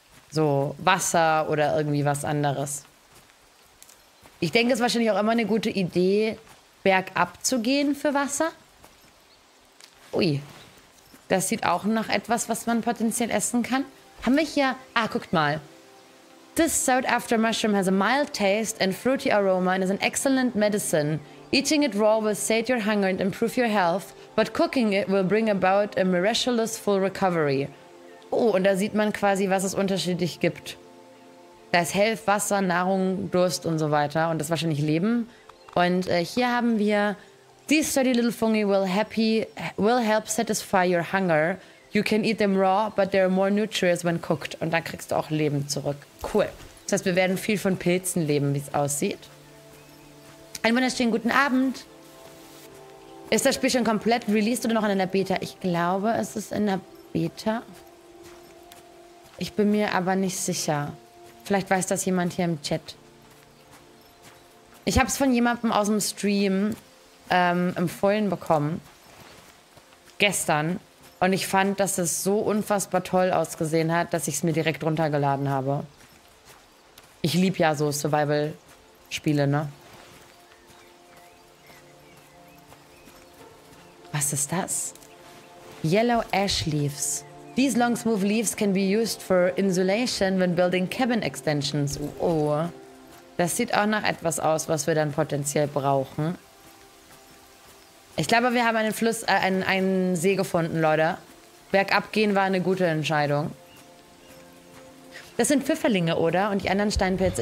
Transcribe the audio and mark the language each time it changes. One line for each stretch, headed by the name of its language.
German: So Wasser oder irgendwie was anderes. Ich denke, es ist wahrscheinlich auch immer eine gute Idee, bergab zu gehen für Wasser. Ui. Das sieht auch nach etwas, was man potenziell essen kann. Haben wir hier... Ah, guckt mal.
English: This sought after mushroom has a mild taste and fruity aroma and is an excellent medicine. Eating it raw will sate your hunger and improve your health, but cooking it will bring about a miraculous full recovery.
German: Oh, und da sieht man quasi, was es unterschiedlich gibt. Da ist Health, Wasser, Nahrung, Durst und so weiter. Und das wahrscheinlich Leben. Und hier haben wir...
English: These sturdy little fungi will help satisfy your hunger. You can eat them raw, but they're more nutritious when cooked.
German: Und dann kriegst du auch Leben zurück. Cool. Das heißt, wir werden viel von Pilzen leben, wie es aussieht. Einen wunderschönen guten Abend. Ist das Spiel schon komplett released oder noch in der Beta? Ich glaube, es ist in der Beta. Ich bin mir aber nicht sicher. Vielleicht weiß das jemand hier im Chat. Ich habe es von jemandem aus dem Stream empfohlen bekommen. Gestern. Und ich fand, dass es so unfassbar toll ausgesehen hat, dass ich es mir direkt runtergeladen habe. Ich liebe ja so Survival-Spiele, ne? Was ist das? Yellow Ash Leaves.
English: These long smooth leaves can be used for insulation when building cabin extensions.
German: Oh, das sieht auch nach etwas aus, was wir dann potenziell brauchen. Ich glaube, wir haben einen See gefunden, Leute. Bergab gehen war eine gute Entscheidung. Das sind Pfifferlinge, oder? Und die anderen Steinpilze.